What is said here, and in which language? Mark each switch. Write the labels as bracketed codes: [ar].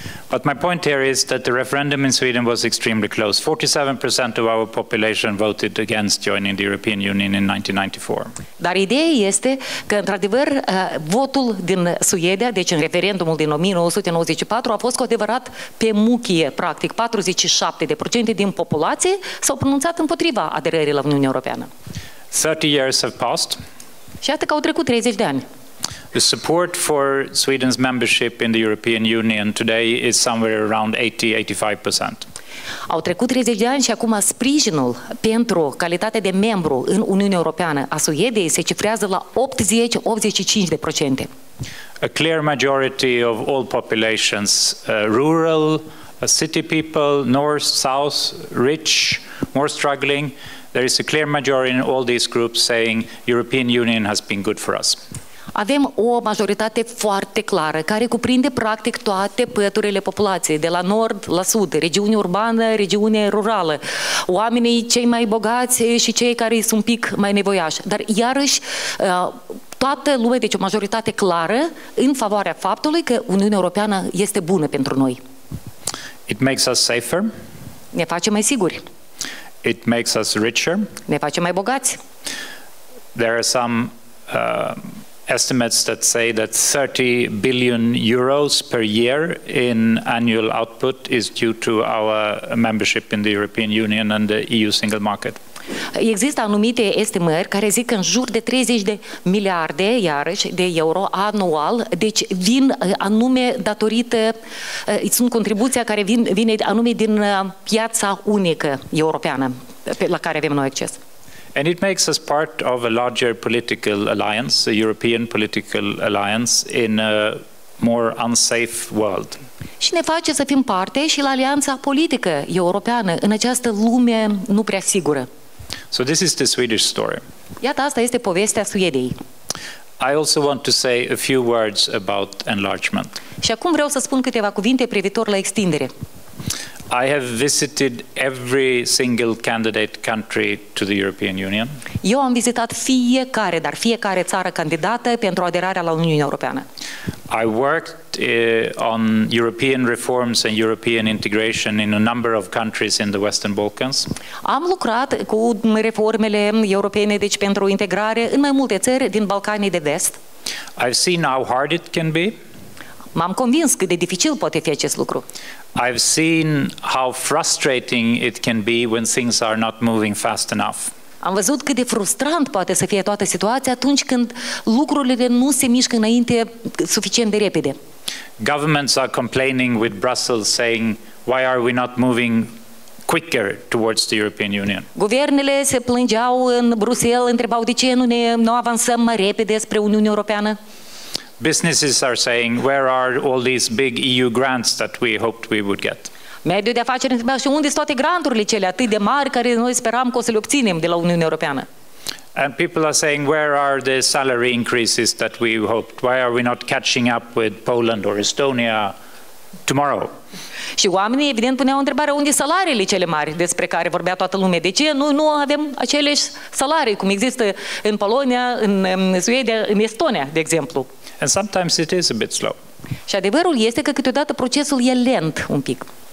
[en] But my point here is that the referendum in Sweden was extremely close. 47% of our population voted against joining the European Union in 1994. [ro] Dar ideea este că, într-adevăr, votul din Suedia, deci în referendumul din 1994, a fost cu adevărat pe muchie, practic. 47% din populație s-au pronunțat împotriva aderării la Uniunea Europeană. [en] 30 years have passed. [ro] Și iată că au trecut 30 de ani. [en] The support for Sweden's membership in the European Union today is somewhere around 80-85%. [ro] Au trecut 30 de ani și acum sprijinul pentru calitatea de membru în Uniunea Europeană a Suediei se cifrează la 80-85%. [en] A clear majority of all populations, rural, city people, north, south, rich, more struggling, there is a clear majority in all these groups saying European Union has been good for us. [ro] Avem o majoritate foarte clară care cuprinde practic toate păturile populației, de la nord la sud, regiune urbană, regiune rurală, oamenii cei mai bogați și cei care sunt un pic mai nevoiași. Dar iarăși toată lumea, deci o majoritate clară în favoarea faptului că Uniunea Europeană este bună pentru noi. [en] It makes us safer. [ro] Ne face mai siguri. [en] It makes us richer. [ro] Ne face mai bogați. [en] There are some estimates that say that 30 billion euros per year in annual output is due to our membership in the European Union and the EU single market. [ro] Există anumite estimări care zic că în jur de 30 de miliarde, iarăși, de euro anual, deci vin anume datorită, sunt contribuția care vine anume din piața unică europeană la care avem noi acces. [en] And it makes us part of a larger political alliance, a European political alliance, in a more unsafe world. [ro] Și ne face să fim parte și la alianța politică europeană în această lume nu prea sigură. [en] So this is the Swedish story. [ro] Iată, asta este povestea Suediei. [en] I also want to say a few words about enlargement. [ro] Și acum vreau să spun câteva cuvinte privitor la extindere. [en] I have visited every single candidate country to the European Union. [ro] Eu am vizitat fiecare, dar fiecare țară candidată pentru aderarea la Uniunea Europeană. [en] I worked on European reforms and European integration in a number of countries in the Western Balkans. [ro] Am lucrat cu reformele europene, deci pentru integrare în mai multe țări din Balcanii de Vest. [en] I've seen how hard it can be. [ro] M-am convins cât de dificil poate fi acest lucru. [en] I've seen how frustrating it can be when things are not moving fast enough. [ro] Am văzut cât de frustrant poate să fie toată situația atunci când lucrurile nu se mișcă înainte suficient de repede. [en] Governments are complaining with Brussels saying, why are we not moving quicker towards the European Union? [ro] Guvernele se plângeau în Bruxelles, întrebau de ce nu avansăm mai repede spre Uniunea Europeană. [en] Businesses are saying, where are all these big EU grants that we hoped we would get? [ro] Mediul de afaceri întreba, și unde sunt toate granturile cele atât de mari care noi speram că o să le obținem de la Uniunea Europeană? [en] And people are saying, where are the salary increases that we hoped? Why are we not catching up with Poland or Estonia tomorrow? [ro] Și oamenii evident puneau întrebarea, unde sunt salariile cele mari despre care vorbea toată lumea? De ce noi nu avem aceleși salarii cum există în Polonia, în Suedia, în Estonia, de exemplu? [en] And sometimes it is a bit slow. [ro] Și adevărul este că câteodată procesul e lent un pic.